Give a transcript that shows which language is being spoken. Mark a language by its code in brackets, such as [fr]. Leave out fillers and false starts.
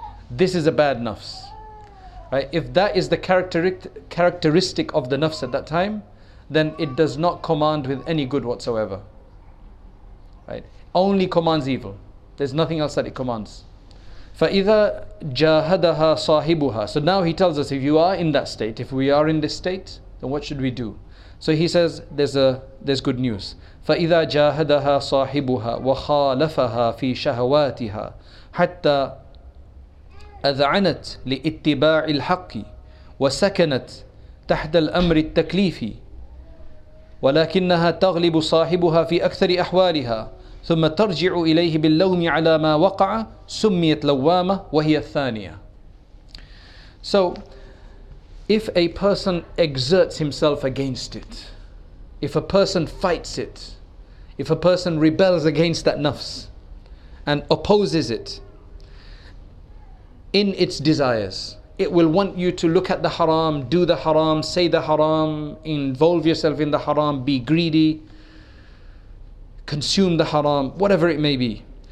[en] This is a bad nafs, right? If that is the characteristic of the nafs at that time, then it does not command with any good whatsoever. Right. Only commands evil. There's nothing else that it commands. [ar] فَإِذَا جَاهَدَهَا صَاحِبُهَا. [en] So now he tells us, if you are in that state, if we are in this state, then what should we do? So he says, there's good news. [ar] فَإِذَا جَاهَدَهَا صَاحِبُهَا وَخَالَفَهَا فِي شَهَوَاتِهَا حَتَّى أَذْعَنَتْ لِإِتِّبَاعِ الْحَقِّ وَسَكَنَتْ تَحْدَ الْأَمْرِ التَّكْلِيفِ ولكنها تغلب صاحبها في أكثر أحوالها ثم ترجع إليه باللوم على ما وقع سميت لوامة وهي الثانية. [en] So if a person exerts himself against it, if a person fights it, if a person rebels against that nafs and opposes it in its desires, it will want you to look at the haram, do the haram, say the haram, involve yourself in the haram, be greedy, consume the haram, whatever it may be.